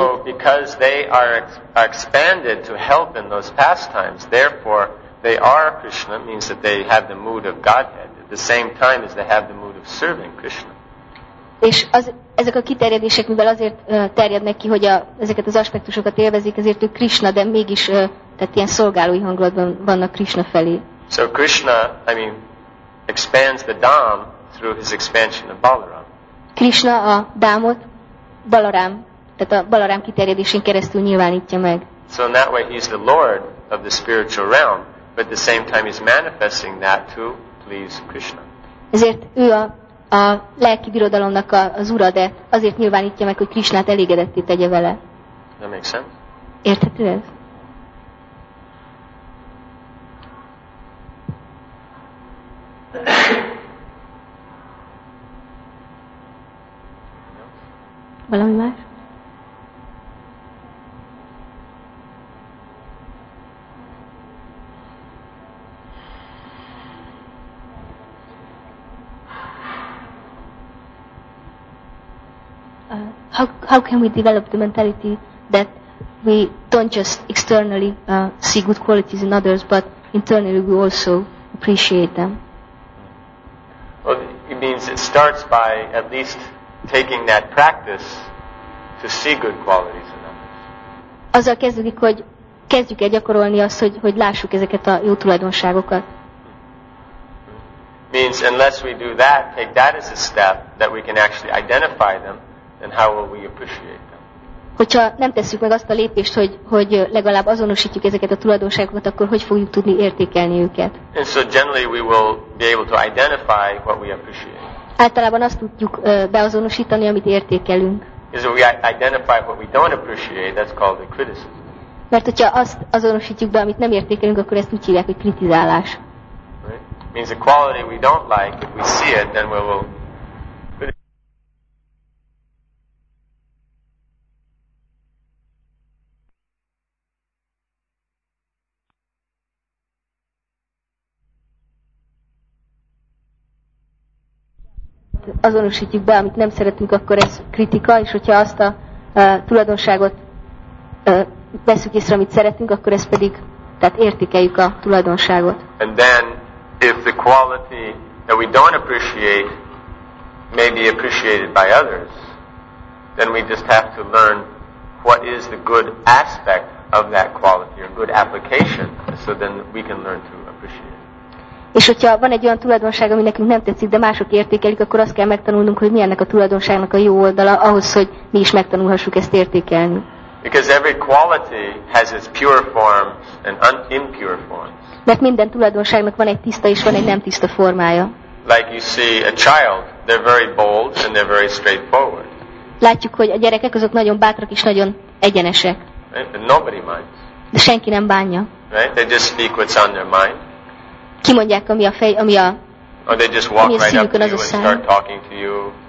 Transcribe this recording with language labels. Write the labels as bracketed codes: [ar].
[en] So because they are expanded to help in those pastimes, therefore they are Krishna, means that they have the mood of Godhead at the same time as they have the mood of serving Krishna. [hu] És ezek a kiterjedések, mivel azért terjednek ki, hogy ezeket az aspektusokat élvezik, ezért ő Krishna, de mégis tehát ilyen szolgálói hangulatban vannak Krishna felé. [en] So Krishna, I mean, expands the Dham through his expansion of Balaram. [hu] Krishna a Dhamot Balaram, tehát a Balaram kiterjedésén keresztül nyilvánítja meg. [en] So in that way he's the lord of the spiritual realm, but at the same time he's manifesting that to please Krishna. [hu] Ezért ő a lelki birodalomnak az ura, de azért nyilvánítja meg, hogy Krishnát elégedetté tegye vele. [en] That makes sense. [hu] Érthető ez? Valami más? [en] How can we develop the mentality that we don't just externally see good qualities in others, but internally we also appreciate them? Well, it means it starts by at least taking that practice to see good qualities in others. [hu] Azzal kezdődik, hogy kezdjük el gyakorolni azt, hogy lássuk ezeket a jó tulajdonságokat. [en] Means unless we do that, take that as a step that we can actually identify them, then how will we appreciate them? [hu] Hogyha nem tesszük meg azt a lépést, hogy legalább azonosítjuk ezeket a tulajdonságokat, akkor hogy fogjuk tudni értékelni őket? [en] And so generally we will be able to identify what we appreciate. [hu] Általában azt tudjuk beazonosítani, amit értékelünk. [en] Is we identify what we don't appreciate, that's called a criticism. [hu] Mert hogyha azt azonosítjuk be, amit nem értékelünk, akkor ezt úgy hívják, hogy kritizálás. [en] Right? Means a quality we don't like, if we see it, then we will. [hu] Azonosítjuk be, amit nem szeretünk, akkor ez kritika, és hogyha azt a tulajdonságot veszük észre, amit szeretünk, akkor ez pedig, tehát értékeljük a tulajdonságot. [en] And then, if the quality that we don't appreciate may be appreciated by others, then we just have to learn what is the good aspect of that quality, or good application, so then we can learn to appreciate. [hu] És hogyha van egy olyan tulajdonság, ami nekünk nem tetszik, de mások értékelik, akkor azt kell megtanulnunk, hogy mi ennek a tulajdonságnak a jó oldala, ahhoz, hogy mi is megtanulhassuk ezt értékelni. [en] Because every quality has its pure forms and impure forms. [hu] Mert minden tulajdonságnak van egy tiszta és van egy nem tiszta formája. [en] Like you see a child, they're very bold and they're very straightforward. [hu] Látjuk, hogy a gyerekek azok nagyon bátrak és nagyon egyenesek. [en] And nobody minds. [hu] De senki nem bánja. [en] Right? They just speak what's on their mind. [hu] Kimondják, ami a [en] Or they just walk right up to you and start talking to you.